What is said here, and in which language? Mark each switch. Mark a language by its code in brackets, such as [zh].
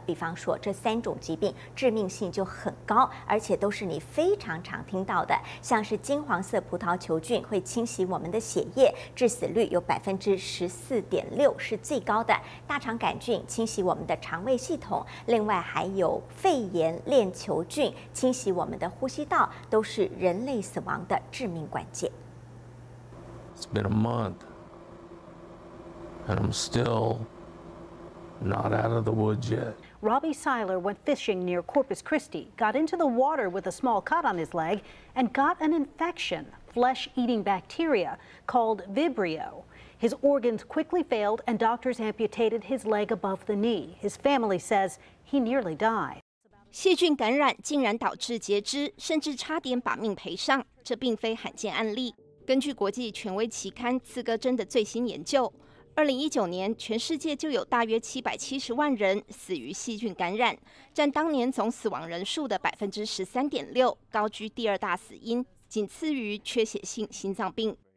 [zh] 比方说这三种疾病致命性就很高，而且都是你非常常听到的，像是金黄色葡萄球菌会侵袭我们的血液，致死率有14.6%是最高的，大肠杆菌侵袭我们的肠胃系统，另外还有肺炎链球菌侵袭我们的呼吸道，都是人类死亡的致命关键。 [en] It's been a month, and I'm still not out of the woods yet. Robbie Seiler went fishing near Corpus Christi, got into the water with a small cut on his leg, and got an infection, flesh-eating bacteria called Vibrio. His organs quickly failed and doctors amputated his leg above the knee. His family says he nearly died. [zh] 细菌感染竟然导致截肢，甚至差点把命赔上，这并非罕见案例。根据国际权威期刊《刺哥针》的最新研究，2019年全世界就有大约770万人死于细菌感染，占当年总死亡人数的13.6%，高居第二大死因，仅次于缺血性心脏病。